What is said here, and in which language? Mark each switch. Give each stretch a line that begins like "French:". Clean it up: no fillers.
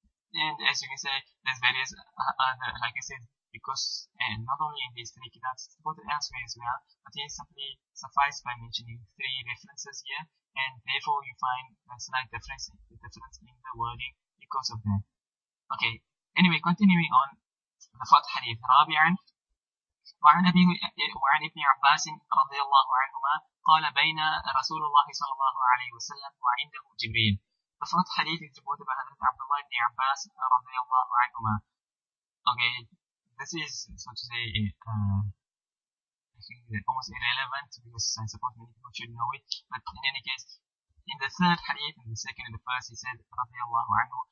English: And as you can say, there's various other, like I said, because not only in these three kitabs, it's reported elsewhere as well, but he simply suffice by mentioning three references here, and therefore you find a slight difference in the wording because of that. Okay, anyway, continuing on the fourth hadith, Rabi'an.
Arabic: وعن ابن عباس رضي الله عنهما قال بين رسول الله صلى الله عليه وسلم وعنده جبريل.
English: The first hadith is reported by Hadith Abdullah ibn Abbas رضي الله عنهما. Okay, this is, so to say, I think almost irrelevant because I suppose many people should know it. But in any case, in the third hadith, in the second and the first, he said رضي الله عنه.